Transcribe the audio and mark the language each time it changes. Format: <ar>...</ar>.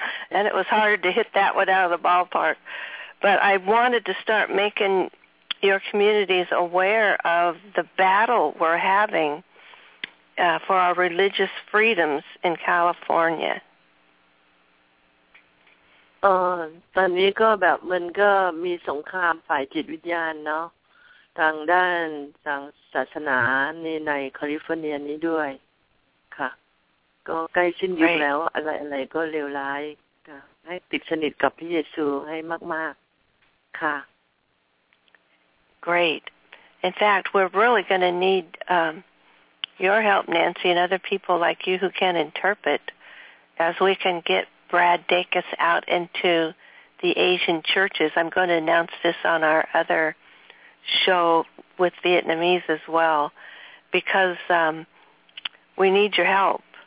<en>And it was hard to hit that one out of the ballpark. But I wanted to start making your communities aware of the battle we're having for our religious freedoms in California.</en> <th>ตอนนี้ก็แบบมันก็มีสงครามฝ่ายจิตวิญญาณเนาะทางด้านทางศาสนาในแคลิฟอร์เนียนี้ด้วยค่ะก็ใกล้สิ้นยุคแล้วอะไรๆก็เลวร้ายค่ะให้ติดสนิทกับพระเยซูให้มากๆค่ะ</th> <en>Great In fact we're really going to need your help Nancy and other people like you who can interpret as we can get Brad Dacus out into the Asian churches I'm going to announce this on our othershow with Vietnamese as well because we need your help.</en>